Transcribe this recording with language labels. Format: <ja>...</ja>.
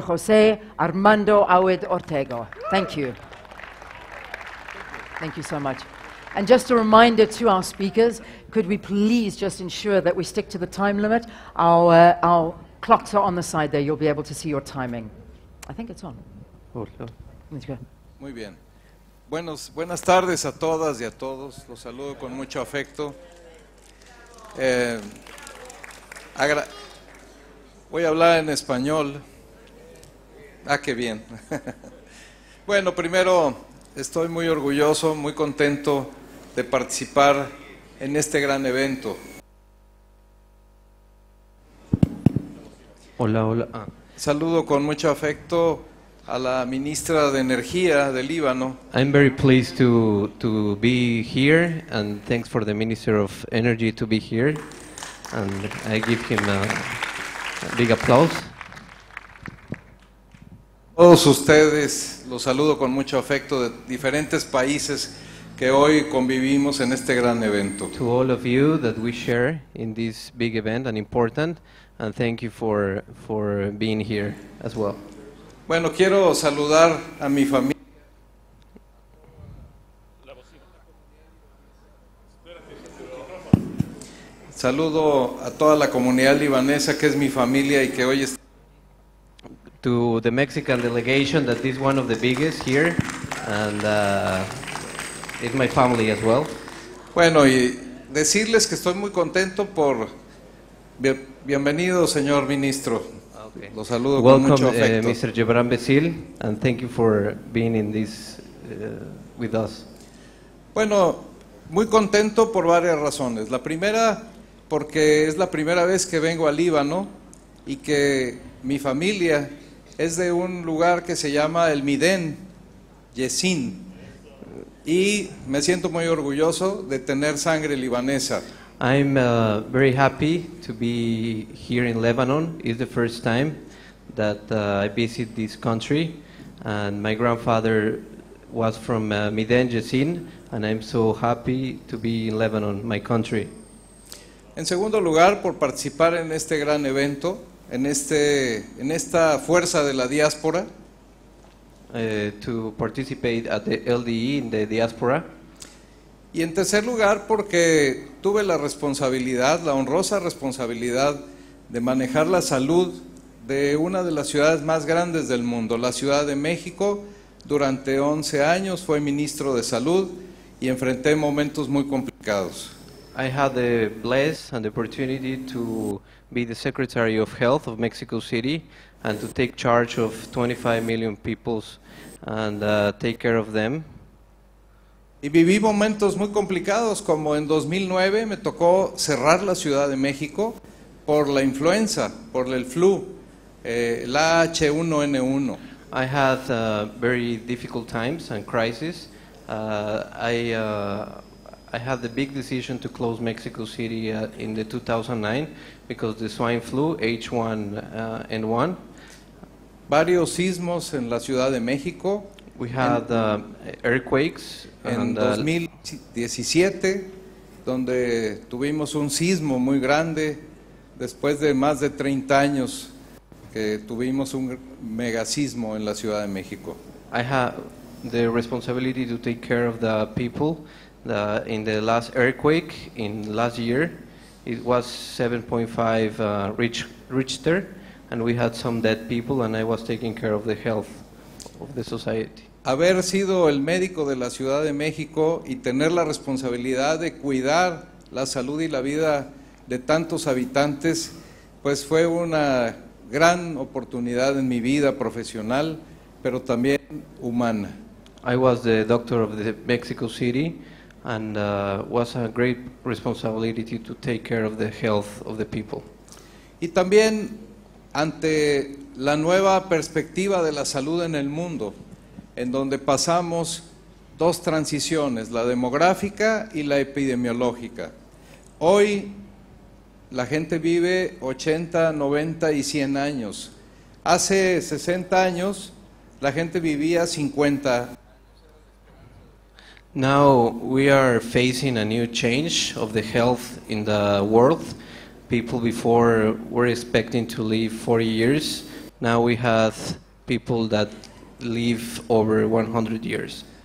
<en>José Armando Aoude Ortega. Thank you. Thank you so much. And just a reminder to our speakers, could we please just ensure that we stick to the time limit? Our clocks are on the side there. You'll be able to see your timing. I think it's on. Let's go.</en> <es>Muy bien. Buenas tardes a todas y a todos. Los saludo con mucho afecto. Voy a hablar en español. Ah, qué bien. Bueno, primero, estoy muy orgulloso, muy contento de participar en este gran evento. Hola, hola. Saludo con mucho afecto a la ministra de energía del Líbano.</es> <en>I'm very pleased to be here, and thanks for the Minister of Energy to be here, and I give him a big applause.</en> <es>Todos ustedes los saludo con mucho afecto de diferentes países que hoy convivimos en este gran evento.</es> <en>To all of you that we share in this big event and important, and thank you for being here as well.</en> <es>Bueno, quiero saludar a mi familia. Saludo a toda la comunidad libanesa que es mi familia y que hoy está.</es> <en>To the Mexican delegation, that is one of the biggest here, and is my family as well.</en> <es>Bueno, y decirles que estoy muy contento por bienvenido, señor ministro. Okay. Los saludo</es> <en>Welcome,</en> <es>con mucho afecto.</es> <en>Mr. Gebran Becil, and thank you for being in this with us.</en> <es>Bueno, muy contento por varias razones. La primera, porque es la primera vez que vengo a Líbano y que mi familia es de un lugar que se llama el Midén Yesin, y me siento muy orgulloso de tener sangre libanesa.</es> <en>I'm very happy to be here in Lebanon. It's the first time that I visit this country, and my grandfather was from Midén Yesin, and I'm so happy to be in Lebanon, my country.</en> <es>En segundo lugar, por participar en este gran evento, en esta fuerza de la diáspora.</es> <en>To participate at the LDE in the diaspora.</en> <es>Y en tercer lugar, porque tuve la responsabilidad, la honrosa responsabilidad de manejar la salud de una de las ciudades más grandes del mundo, la Ciudad de México. Durante 11 años fue ministro de salud y enfrenté momentos muy complicados.</es> <en>I had the bless and the opportunity to be the Secretary of Health of Mexico City and to take charge of 25 million people and take care of them.</en> <es>Y viví momentos muy complicados, como en 2009 me tocó cerrar la Ciudad de México por la influenza, por el flu, la H1N1.</es> <en>I had very difficult times and crises, I had the big decision to close Mexico City in the 2009 because the swine flu H1N1.</en> <es>Varios sismos en la Ciudad de México.</es> <en>We had earthquakes.</en> <es>En 2017, donde tuvimos un sismo muy grande, después de más de 30 años que tuvimos un megasismo en la Ciudad de México.</es> <en>I have the responsibility to take care of the people. In the last earthquake in last year, it was 7.5 Richter, and we had some dead people, and I was taking care of the health of the society.</en> <es>Haber sido el médico de la Ciudad de México y tener la responsabilidad de cuidar la salud y la vida de tantos habitantes, pues fue una gran oportunidad en mi vida profesional, pero también humana.</es> <en>I was the doctor of the Mexico City, and was a great responsibility to take care of the health of the people.</en> <es>Y también ante la nueva perspectiva de la salud en el mundo, en donde pasamos dos transiciones, la demográfica y la epidemiológica. Hoy la gente vive 80, 90 y 100 años. Hace 60 años la gente vivía 50.</es> <en>Now we are facing a new change of the health in the world. People before were expecting to live 40 years. Now we have people that live over 100 years.</en>